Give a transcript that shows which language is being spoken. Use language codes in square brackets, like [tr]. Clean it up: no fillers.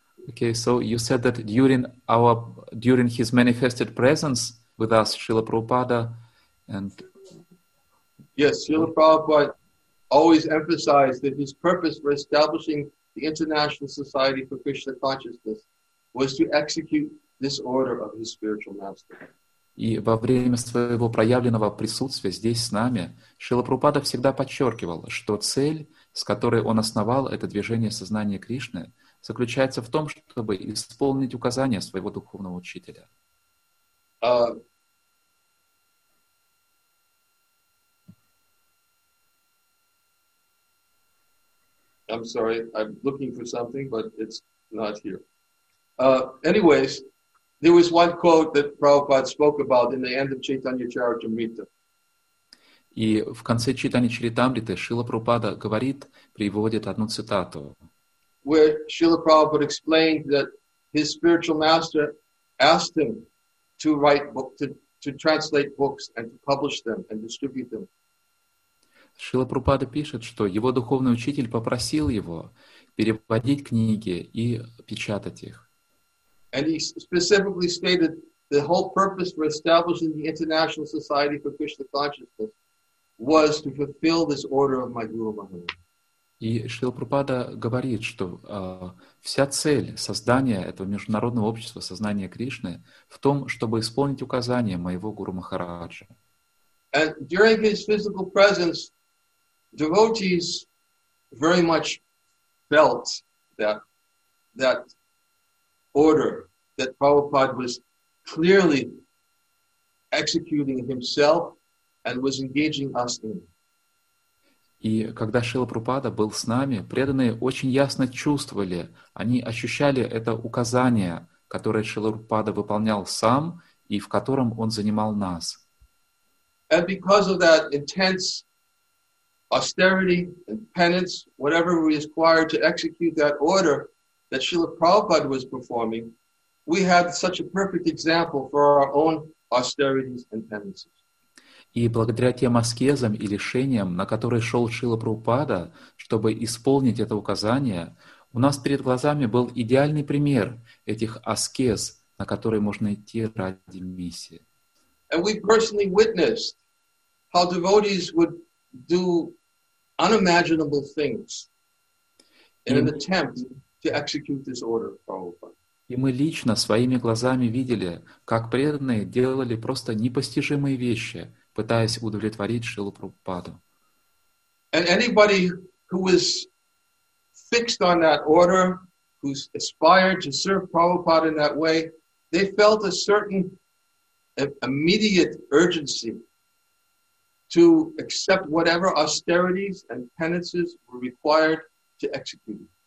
[en] Okay, so you said that during his manifested presence with us, Srila Prabhupada, and... Yes, Srila Prabhupada always emphasized that his purpose for establishing the International Society for Krishna Consciousness was to execute this order of his spiritual master. [ru] И во время своего проявленного присутствия здесь с нами Шрила Прабхупада всегда подчеркивал, что цель, с которой он основал это движение сознания Кришны, заключается в том, чтобы исполнить указания своего духовного учителя. [en] I'm sorry, I'm looking for something, but it's not here. Anyways, there was one quote that Prabhupada spoke about in the end of Chaitanya Charitamrita. [ru] И в конце Чайтанья Чаритамриты Шрила Прабхупада говорит, приводит одну цитату. [en] Where Srila Prabhupada explained that his spiritual master asked him to write books, to translate books and to publish them and distribute them. [ru] Шрила Прабхупада пишет, что его духовный учитель попросил его переводить книги и печатать их. [en] And he specifically stated the whole purpose for establishing the International Society for Krishna Consciousness was to fulfill this order of my Guru Maharaj. [ru] И Шрила Прабхупада говорит, что вся цель создания этого международного общества сознания Кришны в том, чтобы исполнить указания моего Гуру Махараджа. [en] And during his physical presence, devotees very much felt that order that Prabhupada was clearly executing himself and was engaging us in. [ru] И когда Шрила Прабхупада был с нами, преданные очень ясно чувствовали, они ощущали это указание, которое Шрила Прабхупада выполнял сам и в котором он занимал нас. [en] And because of that intense austerity and penance, whatever we required to execute that order that Srila Prabhupada was performing, we had such a perfect example for our own austerities and penances. [ru] И благодаря тем аскезам и лишениям, на которые шел Шрила Прабхупада, чтобы исполнить это указание, у нас перед глазами был идеальный пример этих аскез, на которые можно идти ради миссии. [en] And we personally witnessed how devotees would do unimaginable things in an attempt to execute this order of Prabhupada. [ru] И мы лично своими глазами видели, как преданные делали просто непостижимые вещи, пытаясь удовлетворить Шрилу Прабхупаду. [en] And anybody who was fixed on that order, who aspired to serve Prabhupada in that way, they felt a certain immediate urgency to accept whatever austerities and penances were required to execute.